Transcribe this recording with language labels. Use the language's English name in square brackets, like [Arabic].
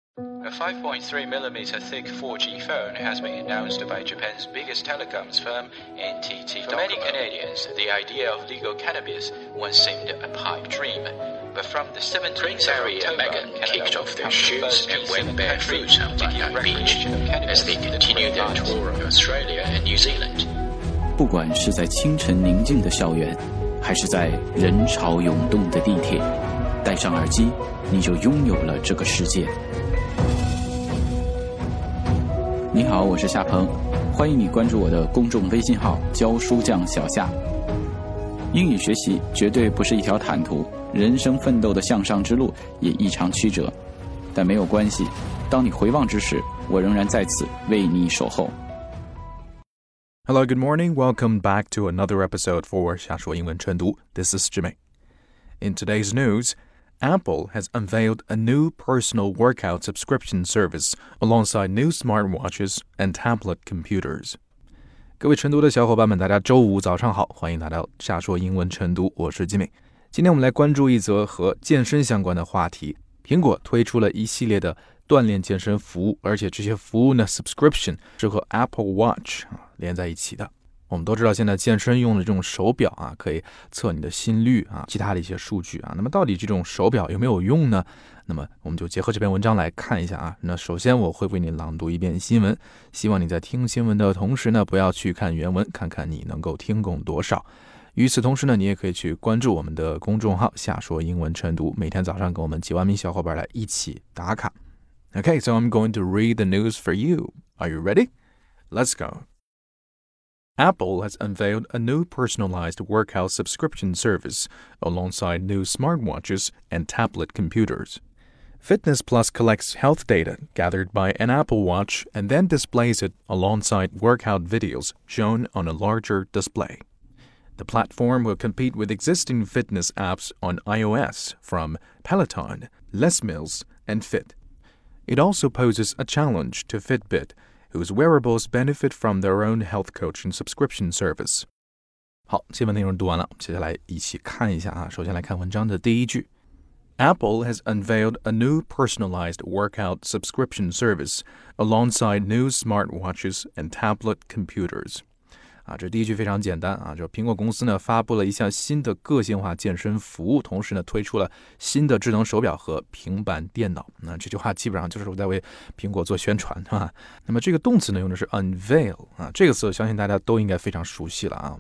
[English] A 5.3mm thick 4G phone has been announced by Japan's biggest telecoms firm, NTT Docomo. For many Canadians, the idea of legal cannabis once seemed a pipe dream. But from the 17th of October, Megan kicked off their shoes and went barefoot on Bondi Beach as they continued their tour of Australia and New Zealand. [Chinese] 不管是在清晨宁静的校园，还是在人潮涌动的地铁，戴上耳机，你就拥有了这个世界。你好，我是夏鹏，欢迎你关注我的公众微信号“教书匠小夏”。英语学习绝对不是一条坦途，人生奋斗的向上之路也异常曲折，但没有关系，当你回望之时，我仍然在此为你守候。 [English] Hello, good morning. Welcome back to another episode for 夏说英文晨读. This is Jimmy. In today's news, Apple has unveiled a new personal workout subscription service alongside new smartwatches and tablet computers. [Chinese] 各位晨读的小伙伴们，大家周五早上好，欢迎来到夏说英文晨读，我是 Jimmy。今天我们来关注一则和健身相关的话题。苹果推出了一系列的锻炼健身服务，而且这些服务呢 subscription 是和 Apple Watch 连在一起的。我们都知道现在健身用的这种手表啊，可以测你的心率啊，其他的一些数据啊。那么到底这种手表有没有用呢？那么我们就结合这篇文章来看一下啊。那首先我会为你朗读一遍新闻，希望你在听新闻的同时呢，不要去看原文，看看你能够听懂多少。与此同时呢，你也可以去关注我们的公众号夏说英文晨读，每天早上跟我们几万名小伙伴来一起打卡。 [English] Okay, so I'm going to read the news for you. Are you ready? Let's go. Apple has unveiled a new personalized workout subscription service alongside new smartwatches and tablet computers. Fitness Plus collects health data gathered by an Apple Watch and then displays it alongside workout videos shown on a larger display. The platform will compete with existing fitness apps on iOS from Peloton, Les Mills, and Fit. It also poses a challenge to Fitbit, whose wearables benefit from their own health coaching subscription service. [Chinese] 好，新闻内容读完了，接下来一起看一下啊。首先来看文章的第一句。 [English] Apple has unveiled a new personalized workout subscription service alongside new smartwatches and tablet computers. [Chinese] 啊，这第一句非常简单啊，就苹果公司呢发布了一项新的个性化健身服务，同时呢推出了新的智能手表和平板电脑。那这句话基本上就是我在为苹果做宣传，是吧？那么这个动词呢用的是 unveil 啊，这个词我相信大家都应该非常熟悉了啊。